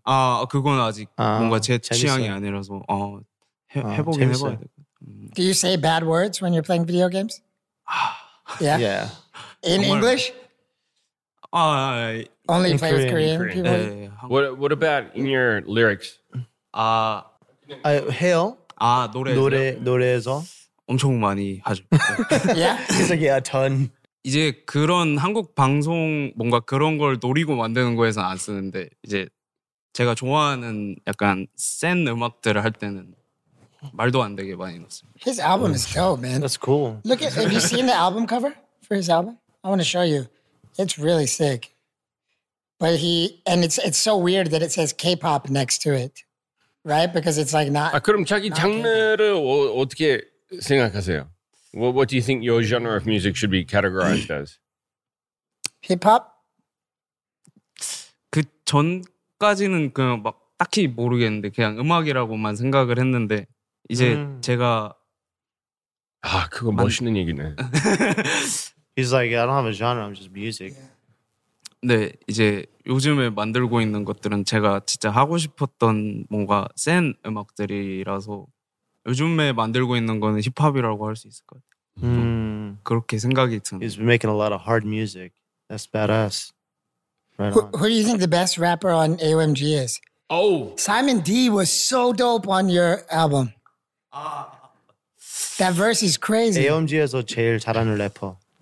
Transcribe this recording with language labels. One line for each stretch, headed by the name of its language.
Korean: 아, 그건 아직 뭔가 제 재밌어요. 취향이 아니라서 해보긴 해봐야 돼.
English: Do you say bad words when you're playing video games? Yeah. Yeah. In English? Only play with Korean people. What about in your lyrics?
Korean: 아, 해요. 아, 노래에서 엄청 많이 하죠.
English: Yeah, it's like a ton.
Korean: 이제 그런 한국 방송 뭔가 그런 걸 노리고 만드는 거에서 안 쓰는데 이제 제가 좋아하는 약간 센 음악들을 할 때는 말도 안 되게 많이 넣습니다.
English: His album is dope, man. That's cool. Look at have you seen the album cover for his album? I want to show you. It's really sick. But it's so weird that it says K-pop next to it. Right? Because it's like not.
Korean: 아, 그럼 자기 장르를 어떻게 생각하세요?
English: What do you think your genre of music should be categorized as? Hip-hop?
Korean: 그 전까지는 그냥 막 딱히 모르겠는데 그냥 음악이라고만 생각을 했는데 이제 제가 아, 그거 멋있는 얘기네.
English: He's like, I don't have a genre. I'm just music.
Korean: 네, 이제 요즘에 만들고 있는 것들은 제가 진짜 하고 싶었던 뭔가 센 음악들이라서 요즘에 만들고 있는 거는 힙합이라고 할 수 있을 것 같아요. 그렇게 생각이 드네요.
English: He's been making a lot of hard music. That's badass. Right who do you think the best rapper on AOMG is? Oh! Simon D was so dope on your album. That verse is crazy.
Korean: AOMG에서 제일 잘하는 래퍼.